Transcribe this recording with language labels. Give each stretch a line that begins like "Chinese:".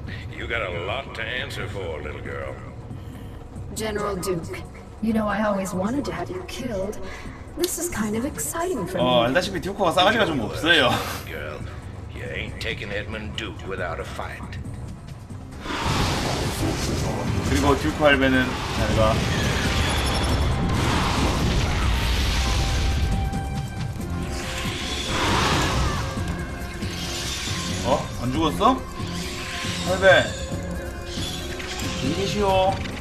English: You got a lot to answer for, little girl. General Duke, you know I always wanted to have you killed. This is kind of exciting for me.
Korean: 어, 알다시피 듀크가 싸가지가 좀 없어요.
English: Girl, you ain't taking Edmund Duke without a fight.
Korean: 그리고 듀크 할배는 자기가 어? 안 죽었어? 할배 힘내시오.